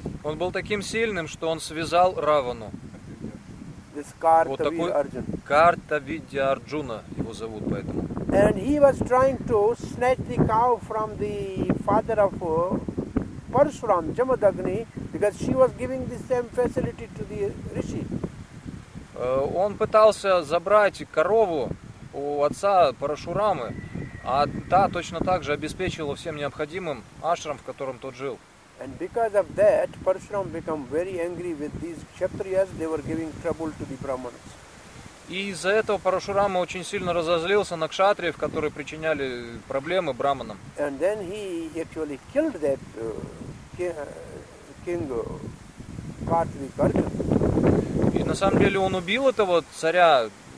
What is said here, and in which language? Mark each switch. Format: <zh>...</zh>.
<ru>Он был таким сильным, что он связал Равану.</ru> <en>This Kartvir Arjun.</en> <ru>Картавидья Арджуна его зовут поэтому.</ru> <en>And he was trying to snatch the cow from the father of Parashuram, Jamadagni, because she was giving the same facility to the rishi.</en> <ru>Он пытался забрать корову у отца Парашурамы, а та точно так же обеспечила всем необходимым ашрам, в котором тот жил.</ru> <en>And because of that, Parashuram became very angry with these kshatriyas. They were giving trouble to the brahmanas.</en> <ru>И из-за этого Парашурама очень сильно разозлился на кшатриев, которые причиняли проблемы браманам.</ru> <en>And then he actually killed that king Kartvik Arjun.</en> <ru>И на самом деле он убил этого царя</ru>